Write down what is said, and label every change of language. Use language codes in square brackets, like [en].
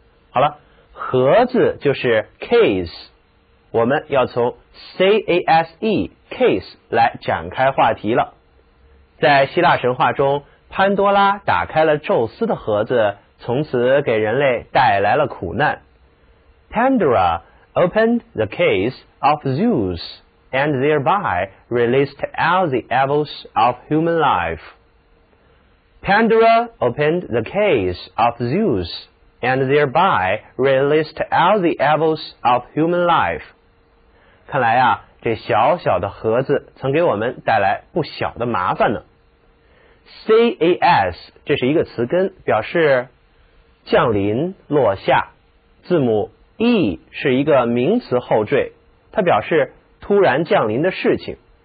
[zh] 好了，盒子就是 case， 我们要从 case case 来展开话题了。在希腊神话中，潘多拉打开了宙斯的盒子，从此给人类带来了苦难。 [en] Pandora opened the case of Zeus and thereby released all the evils of human life. Pandora opened the case of ZeusAnd thereby released all the evils of human life. [zh] 看来啊，这小小的盒子曾给我们带来不小的麻烦呢。 CAS 这是一个词根，表示降临、落下。字母 E 是一个名词后缀，它表示突然降临的事情。